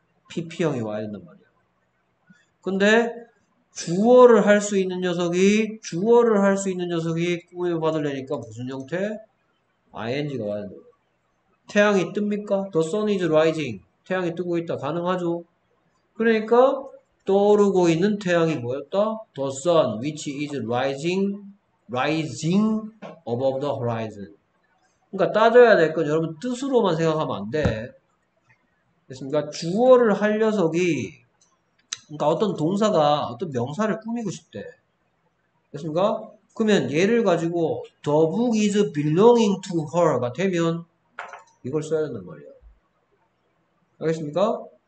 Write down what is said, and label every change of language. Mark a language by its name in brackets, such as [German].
[Korean] PP형이 와야 된단 말이야. 근데, 주어를 할 수 있는 녀석이, 주어를 할 수 있는 녀석이 꾸밈을 받으려니까 무슨 형태? ing가 와야 된다. 태양이 뜹니까? [English] The sun is rising. [Korean] 태양이 뜨고 있다. 가능하죠? 그러니까, 떠오르고 있는 태양이 뭐였다? [English] The sun, which is rising above the horizon. [Korean] 그러니까 따져야 될 건 여러분 뜻으로만 생각하면 안 돼. 됐습니까? 주어를 할 녀석이, 그러니까 어떤 동사가 어떤 명사를 꾸미고 싶대. 됐습니까? 그러면 얘를 가지고 [English] the book is belonging to her [Korean] 가 되면 이걸 써야 된단 말이야. 알겠습니까?